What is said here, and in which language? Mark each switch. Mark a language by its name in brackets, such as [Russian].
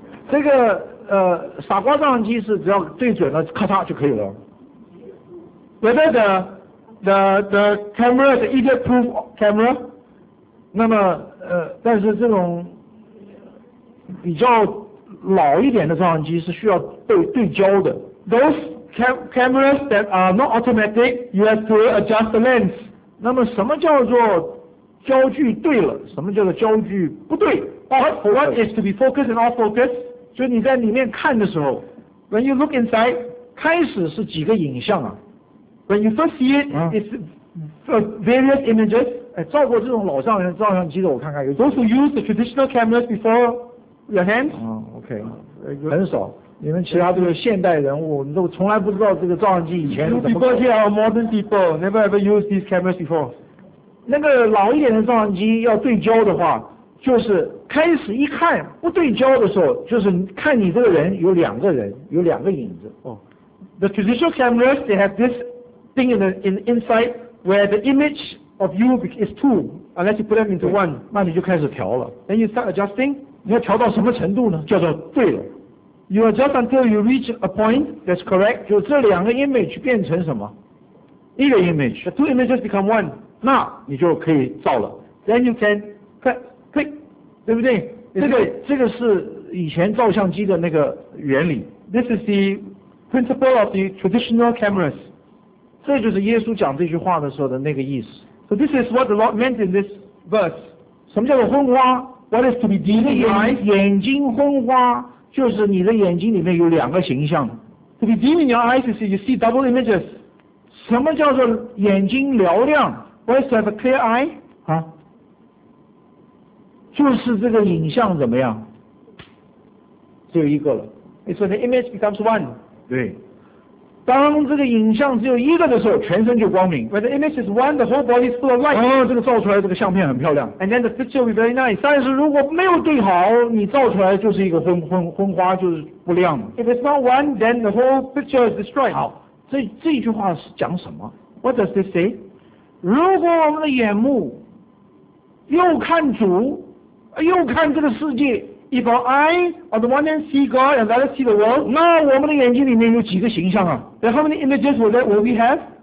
[Chinese] 这个傻瓜照相机是只要对准了咔嚓就可以了。 [English] Whether the camera is an idiot-proof camera. [Chinese] 那么但是这种比较老一点的照相机是需要对焦的。 [English] Those cameras that are not automatic, you have to adjust the lens. [Chinese] 那么什么叫做焦距对了，什么叫做焦距不对？ [English] What is to be focused and off focus? [Chinese] 就你在里面看的时候， [English] When you look inside, [Chinese] 开始是几个影像啊。 [English] When you first see it, it's various images. [Chinese] 照过这种老照相照相机的，我看看有。 [English] Those who use the traditional cameras before your hands. [Chinese] Okay. 很少。你们其他这个现代人物，你都从来不知道这个照相机以前是怎么。 [English] New people here are modern people. Never ever use these cameras before. [Chinese] 那个老一点的照相机要对焦的话，就是开始一看不对焦的时候，就是看你这个人有两个人，有两个影子。 [English] The traditional cameras, they have this thing in the inside where the image of you is two unless you put them into one. [Chinese] 那你就开始调了。 [English] Then you start adjusting. [Chinese] 你要调到什么程度呢？叫做对了。 [English] You adjust until you reach a point that's correct. [Chinese] 就这两个 image 变成什么？一个 image. [English] The two images become one. [Chinese] 那你就可以造了。 [English] Then you can click, [Chinese] 对不对？这个是以前照相机的那个原理。 [English] This is the principle of the traditional cameras. [Chinese] 这就是耶稣讲这句话的时候的那个意思。 [English] So this is what the Lord meant in this verse. [Chinese] 什么叫做昏花？ [English] What is to be dim eyes? [Chinese] 眼睛昏花就是你的眼睛里面有两个形象。 [English] To be dim in your eyes is you see double images. [Chinese] 什么叫做眼睛嘹亮？ [English] What is to have a clear eye? [Chinese] 啊，就是这个影像怎么样？只有一个了。 [English] It's when the image becomes one. [Chinese] 对。当这个影像只有一个的时候，全身就光明。 [English] When the image is one, the whole body is full of light. [Chinese] 哦，这个照出来这个相片很漂亮。 [English] And then the picture will be very nice. [Chinese] 但是如果没有对好，你照出来就是一个昏花，就是不亮的。 [English] If it's not one, then the whole picture is destroyed. [Chinese] 好，这句话是讲什么？ [English] What does this say? [Chinese] 如果我们的眼目又看主，又看这个世界。 [English] If our eyes on the one hand see God and the other see the world, [Chinese] 那我们的眼睛里面有几个形象啊？ [English] Then how many images will we have?